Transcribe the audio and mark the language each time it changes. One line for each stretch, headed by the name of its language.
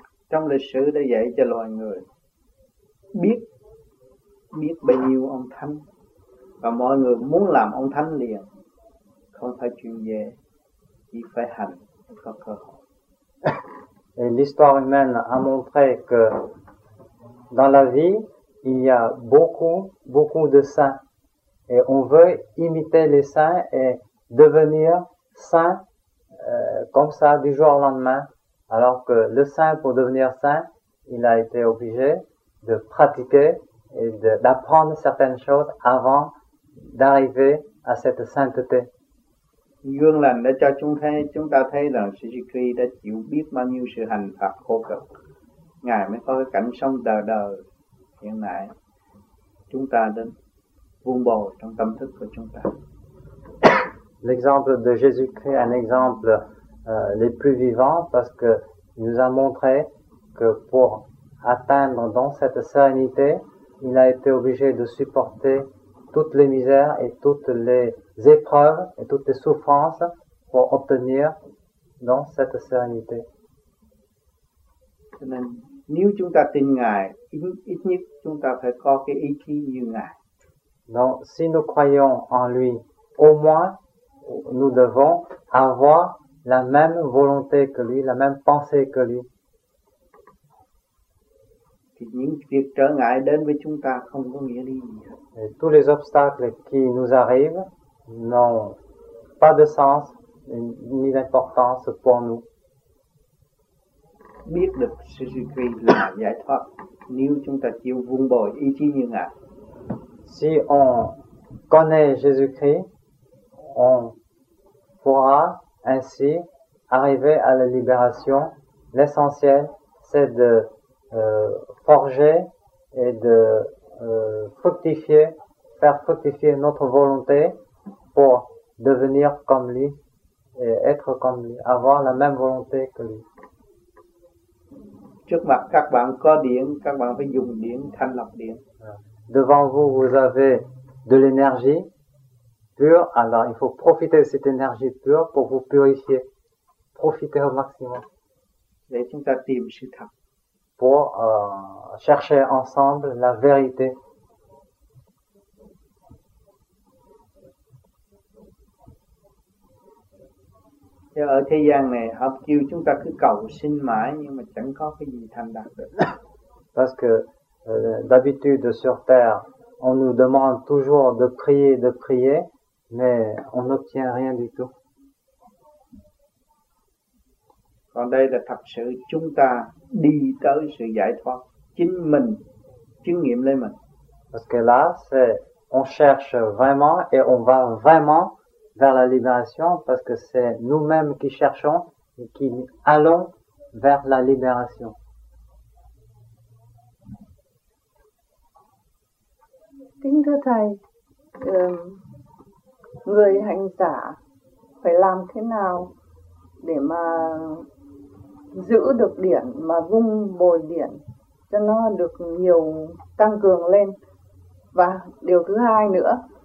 Vietnamese: Trong lịch sử đã dạy cho loài người biết bao nhiêu ông thánh, và mọi người muốn làm ông thánh liền, không phải chuyện dễ, chỉ phải hành mới có cơ hội.
French: Et l'histoire humaine a montré que dans la vie, il y a beaucoup, beaucoup de saints. Et on veut imiter les saints et devenir saint comme ça du jour au lendemain. Alors que le saint, pour devenir saint, il a été obligé de pratiquer et d'apprendre certaines choses avant d'arriver à cette sainteté.
Vietnamese: Gương lành đã cho chúng ta thấy rằng Sư Sư Kri đã chịu biết bao nhiêu sự hành Phật khổ cực. Ngài mới có cái cảnh sống đời đời hiện nay. Chúng ta đến vun bồi trong tâm thức của chúng ta.
French: L'exemple de Jésus-Christ est un exemple les plus vivants, parce que il nous a montré que pour atteindre dans cette sérénité, il a été obligé de supporter toutes les misères et toutes les épreuves et toutes les souffrances pour obtenir dans cette sérénité.
Vietnamese: Cho nên, nếu chúng ta tin Ngài, ít nhất chúng ta phải có cái ý chí như Ngài.
French: Donc, si nous croyons en lui, au moins, nous devons avoir la même volonté que lui, la même pensée que lui.
Vietnamese: Thì những việc trở ngại đến với chúng ta không có nghĩa gì.
French: Et tous les obstacles qui nous arrivent n'ont pas de sens ni d'importance pour nous.
Vietnamese: Biết được sự suy nghĩ là giải thoát nếu chúng ta chịu vun bồi ý chí như Ngài.
French: Si on connaît Jésus-Christ, on pourra ainsi arriver à la libération. L'essentiel, c'est de forger et de faire fructifier notre volonté pour devenir comme lui et être comme lui, avoir la même volonté que lui.
Vietnamese: Trước mặt các bạn có điện, các bạn phải dùng điện, thanh lọc điện.
French: Devant vous, vous avez de l'énergie pure, alors il faut profiter de cette énergie pure pour vous purifier. Profitez au maximum.
Vietnamese: Để chúng ta tìm sự thật.
French: Pour chercher ensemble la vérité. Et
Vietnamese: ở thế gian này, họ kêu chúng ta cứ cầu xin mãi nhưng mà chẳng có cái gì thành đạt được.
French: Parce que d'habitude sur terre, on nous demande toujours de prier, mais on n'obtient rien du tout.
Vietnamese: Còn đây là thật sự chúng ta đi tới sự giải thoát chính mình, chứng nghiệm lên mình.
French: Parce que là, c'est on cherche vraiment et on va vraiment vers la libération, parce que c'est nous-mêmes qui cherchons et qui allons vers la libération.
Vietnamese: Kính thưa Thầy, người hành giả phải làm thế nào để mà giữ được điện, mà vung bồi điện cho nó được nhiều, tăng cường lên? Và điều thứ hai nữa